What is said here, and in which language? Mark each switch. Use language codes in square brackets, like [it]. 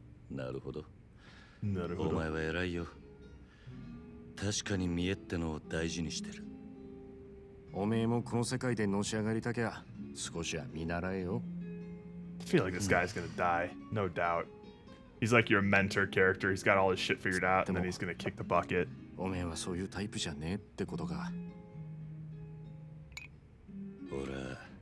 [ja] なるほど。なるほど。お前は偉いよ。確かに見えってのを大事にしてる。おめえもこの世界でのし上がりたきゃ少しは見習えよ。 [en] I feel like this guy's gonna die, no doubt. He's like your mentor character. He's got all his shit figured out, and then he's gonna kick the bucket. [ja] おめえはそういうタイプじゃねえってことか。ほら。